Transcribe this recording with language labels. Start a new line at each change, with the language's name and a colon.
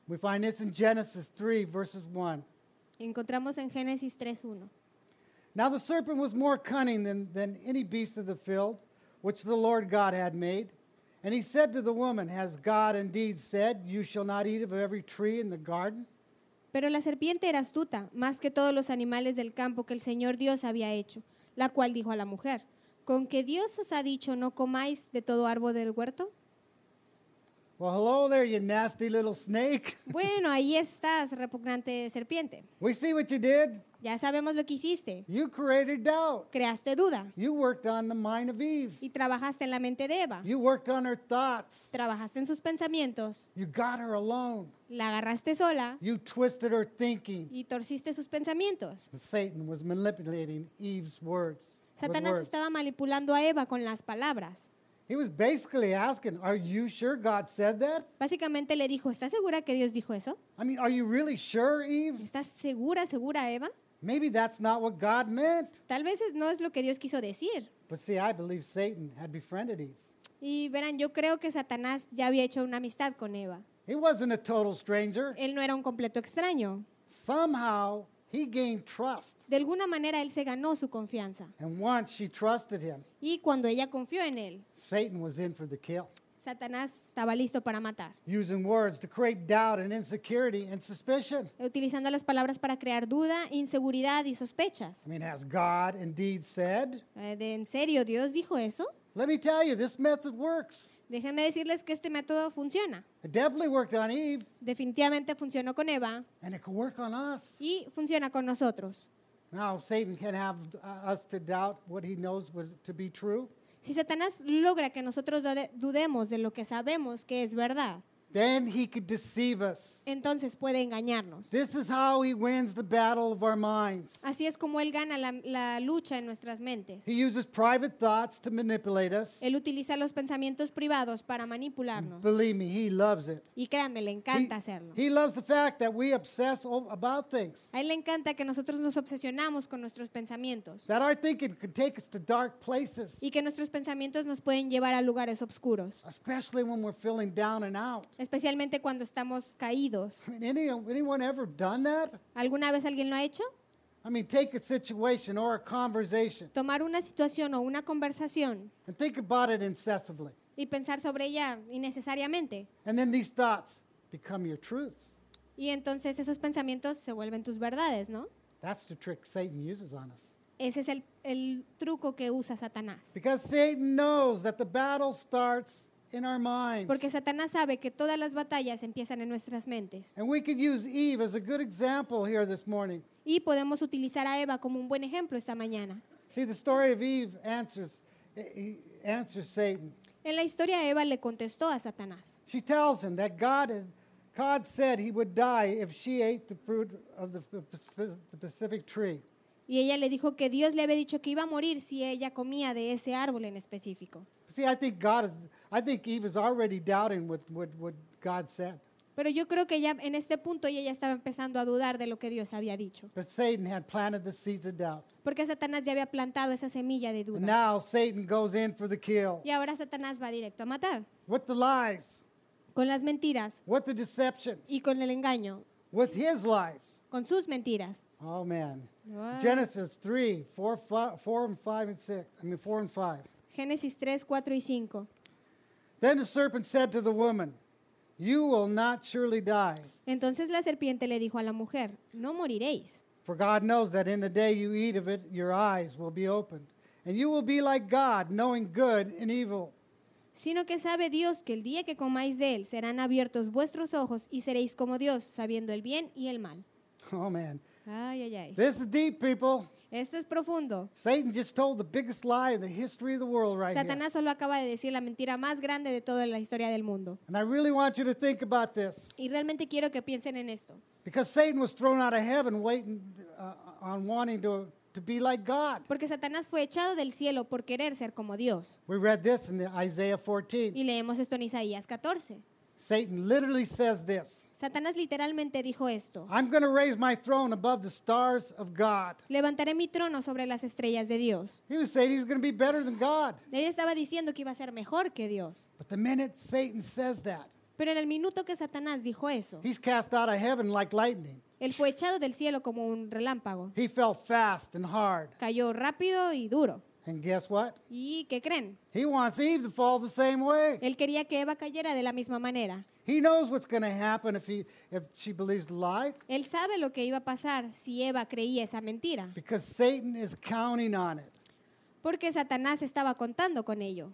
English: We find this in Genesis 3, verses 1.
Spanish: Encontramos en Génesis 3:1.
English: Now the serpent was more cunning than any beast of the field, which the Lord God had made. And he said to the woman, has God indeed said, you shall not eat of every tree in the garden?
Spanish: Pero la serpiente era astuta, más que todos los animales del campo que el Señor Dios había hecho, la cual dijo a la mujer, ¿con que Dios os ha dicho no comáis de todo árbol del huerto?
English: Well, hello there, you nasty little snake.
Spanish: Bueno, ahí estás, repugnante serpiente.
English: We see what you did.
Spanish: Ya sabemos lo que hiciste.
English: You created doubt.
Spanish: Creaste duda.
English: You worked on the mind of Eve.
Spanish: Y trabajaste en la mente de Eva.
English: You worked on her thoughts.
Spanish: Trabajaste en sus pensamientos.
English: You got her alone.
Spanish: La agarraste sola.
English: You twisted her thinking.
Spanish: Y torciste sus pensamientos.
English: Satan was manipulating Eve's words.
Spanish: Satanás estaba manipulando a Eva con las palabras.
English: He was basically asking, are you sure God said that?
Spanish: Básicamente le dijo, ¿estás segura que Dios dijo eso?
English: I mean, are you really sure, Eve?
Spanish: ¿Estás segura, Eva?
English: Maybe that's not what God meant.
Spanish: Tal vez no es lo que Dios quiso decir.
English: But see, I believe Satan had befriended Eve.
Spanish: Y verán, yo creo que Satanás ya había hecho una amistad con Eva.
English: He wasn't a total stranger.
Spanish: Él no era un completo extraño.
English: Somehow he gained trust.
Spanish: De alguna manera él se ganó su confianza.
English: And once she trusted him.
Spanish: Y cuando ella confió en él.
English: Satan was in for the kill.
Spanish: Satanás estaba listo para matar.
English: Using words to create doubt and insecurity and suspicion.
Spanish: Utilizando las palabras para crear duda, inseguridad y sospechas.
English: I mean, has God indeed said?
Spanish: ¿En serio Dios dijo eso?
English: Let me tell you, this method works.
Spanish: Déjenme decirles que este método funciona.
English: It definitely worked on Eve.
Spanish: Definitivamente funcionó con Eva.
English: And it could work on us.
Spanish: Y funciona con nosotros.
English: Now Satan can have us to doubt what he knows was to be true.
Spanish: Si Satanás logra que nosotros dudemos de lo que sabemos que es verdad,
English: then he could deceive us.
Spanish: Entonces puede engañarnos.
English: This is how he wins the battle of our minds.
Spanish: Así es como él gana la lucha en nuestras mentes.
English: He uses private thoughts to manipulate us.
Spanish: Él utiliza los pensamientos privados para manipularnos.
English: Believe me, he loves it.
Spanish: Y créanme, le encanta hacerlo.
English: He loves the fact that we obsess about things.
Spanish: A él le encanta que nosotros nos obsesionamos con nuestros pensamientos.
English: That our thinking can take us to dark places.
Spanish: Y que nuestros pensamientos nos pueden llevar a lugares oscuros.
English: Especially when we're feeling down and out.
Spanish: Especialmente cuando estamos caídos.
English: I mean, anyone ever done that?
Spanish: ¿Alguna vez alguien lo ha hecho?
English: I mean, take a situation or a conversation.
Spanish: Tomar una situación o una conversación.
English: And think about it incessantly.
Spanish: Y pensar sobre ella innecesariamente.
English: And then these thoughts become your truths.
Spanish: Y entonces esos pensamientos se vuelven tus verdades, ¿no?
English: That's the trick Satan uses on us.
Spanish: Ese es el truco que usa Satanás.
English: Because Satan knows that the battle starts in our minds.
Spanish: Porque Satanás sabe que todas las batallas empiezan en nuestras mentes.
English: And we could use Eve as a good example here this morning.
Spanish: Y podemos utilizar a Eva como un buen ejemplo esta mañana.
English: See, the story of Eve answers Satan.
Spanish: En la historia Eva le contestó a Satanás.
English: She tells him that God said he would die if she ate the fruit of the specific tree.
Spanish: Y ella le dijo que Dios le había dicho que iba a morir si ella comía de ese árbol en específico.
English: See, I think Eve is already doubting what God said.
Spanish: Pero yo creo que ya en este punto ella ya estaba empezando a dudar de lo que Dios había dicho.
English: But Satan had planted the seeds of doubt.
Spanish: Porque Satanás ya había plantado esa semilla de duda.
English: And now Satan goes in for the kill.
Spanish: Y ahora Satanás va directo a matar.
English: With the lies.
Spanish: Con las mentiras.
English: With the deception.
Spanish: Y con el engaño.
English: With his lies.
Spanish: Con sus mentiras.
English: Oh man. Genesis 3, 4, 5, 4 and 5 and 6. I mean 4 and 5.
Spanish: Génesis 3, 4 y 5.
English: Then the serpent said to the woman, "You will not surely die."
Spanish: Entonces la serpiente le dijo a la mujer, "No moriréis."
English: For God knows that in the day you eat of it, your eyes will be opened, and you will be like God, knowing good and evil.
Spanish: Sino que sabe Dios que el día que comáis de él serán abiertos vuestros ojos y seréis como Dios, sabiendo el bien y el mal.
English: Oh man.
Spanish: Ay, ay, ay.
English: This is deep, people.
Spanish: Esto es profundo.
English: Satan just told the biggest lie in the history of the world right here.
Spanish: Satanás solo acaba de decir la mentira más grande de toda la historia del mundo.
English: And I really want you to think about this.
Spanish: Y realmente quiero que piensen en esto.
English: Because Satan was thrown out of heaven waiting on wanting to be like God.
Spanish: Porque Satanás fue echado del cielo por querer ser como Dios.
English: We read this in Isaiah 14.
Spanish: Y leemos esto en Isaías 14.
English: Satan literally says this.
Spanish: Satanás literalmente dijo esto.
English: I'm going to raise my throne above the stars of God.
Spanish: Levantaré mi trono sobre las estrellas de Dios.
English: He was saying he was going to be better than God.
Spanish: Él estaba diciendo que iba a ser mejor que Dios.
English: But the minute Satan says that.
Spanish: Pero en el minuto que Satanás dijo eso.
English: He's cast out of heaven like lightning.
Spanish: Él fue echado del cielo como un relámpago.
English: He fell fast and hard.
Spanish: Cayó rápido y duro.
English: And guess what?
Spanish: ¿Y qué creen?
English: He wants Eve to fall the same way.
Spanish: Él quería que Eva cayera de la misma manera.
English: He knows what's going to happen if she believes the lie.
Spanish: Él sabe lo que iba a pasar si Eva creía esa mentira.
English: Because Satan is counting on it.
Spanish: Porque Satanás estaba contando con ello.